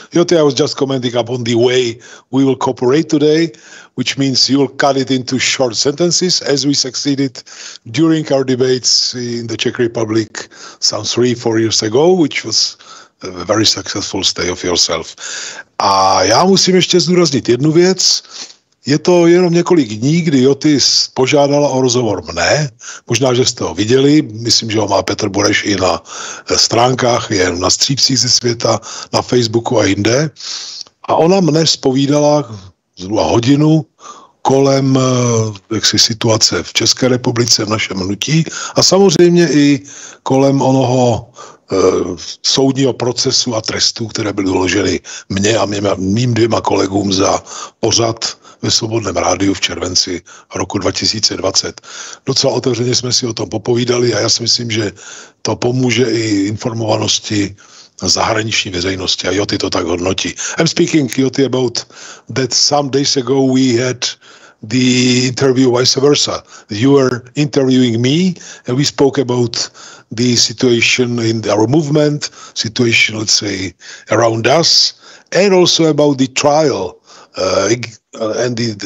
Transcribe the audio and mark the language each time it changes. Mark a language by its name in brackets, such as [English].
[English] Joti, I was just commenting upon the way we will cooperate today, which means you will cut it into short sentences, as we succeeded during our debates in the Czech Republic some 3-4 years ago, which was a very successful stay of yourself. [Czech] A já musím ještě zdůraznit jednu věc. Je to jenom několik dní, kdy Joti požádala o rozhovor mne. Možná, že jste ho viděli. Myslím, že ho má Petr Bureš i na stránkách, je na Střípcích ze světa, na Facebooku a jinde. A ona mne zpovídala zhruba hodinu kolem jaksi situace v České republice, v našem hnutí. A samozřejmě i kolem onoho soudního procesu a trestů, které byly uloženy mně a mým dvěma kolegům za pořad ve Svobodném rádiu v červenci roku 2020. Docela otevřeně jsme si o tom popovídali a já si myslím, že to pomůže i informovanosti zahraniční veřejnosti a Joti to tak hodnotí. [English] I'm speaking, Joti, about that some days ago we had the interview vice versa. You were interviewing me and we spoke about the situation in our movement, situation, let's say, around us, and also about the trial and